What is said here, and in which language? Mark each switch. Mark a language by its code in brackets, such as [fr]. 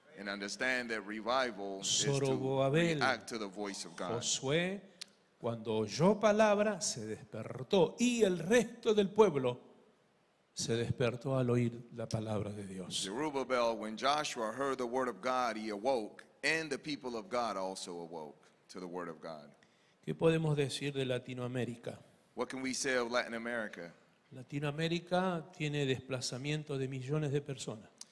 [en] And understand that revival is to react to the voice of God. [es] Josué, cuando oyó palabra, se despertó. Y el resto del pueblo se despertó al oír la palabra de Dios. [en] Zerubbabel, when Joshua heard the word of God, he awoke. And the people of God also awoke to the word of God. [es] ¿Qué podemos decir de Latinoamérica? [en] What can we say of Latin America? [es] Latinoamérica tiene desplazamiento de millones de personas.